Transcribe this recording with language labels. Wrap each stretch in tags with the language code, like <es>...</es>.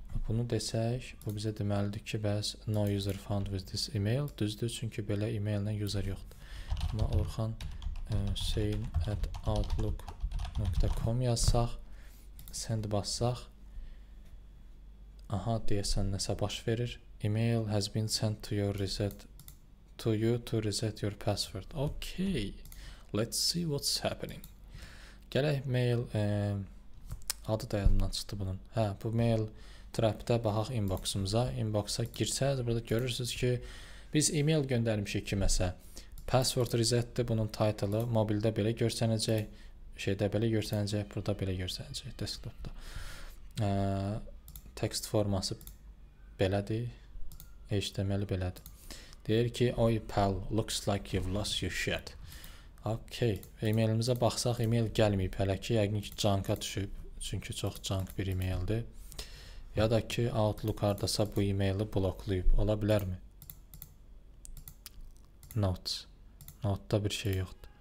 <az>Bunu desək, bu bizə deməlidir ki, bəs</az> <en>no user found with this email.</en> <az>Düzdür, çünki belə e-mail ilə user yoxdur. Amma Orxan sayin@outlook.com yazsaq, send bassaq, aha, deyəsən nəsə baş verir.</az> <en>Email has been sent to your reset to you to reset your password. Okay. Let's see what's happening.</en> <az>Gələk mail adı da yadından çıxdı bunun. Hə, bu mail trapdə baxaq inboxumuza. Inboxa girsəz, burada görürsünüz ki, biz e-mail göndərmişik kiməsə. Password resetdir bunun title-ı. Mobildə belə görsənəcək, şeydə belə görsənəcək, burada belə görsənəcək desktopda. Text forması belədir. HTML belədir. Deyir ki, oy pal,</az> <en>looks like you've lost your shit. Okay.</en> <az>E-mailimizə baxsaq, e-mail gəlməyib. Hələ ki, yəqin ki, junk-a düşüb. Çünki çox junk bir e-maildir. Ya da ki, Outlook hardasa bu e-maili bloklayıb. Ola bilərmi? Notes. Notda bir şey yoxdur.</az>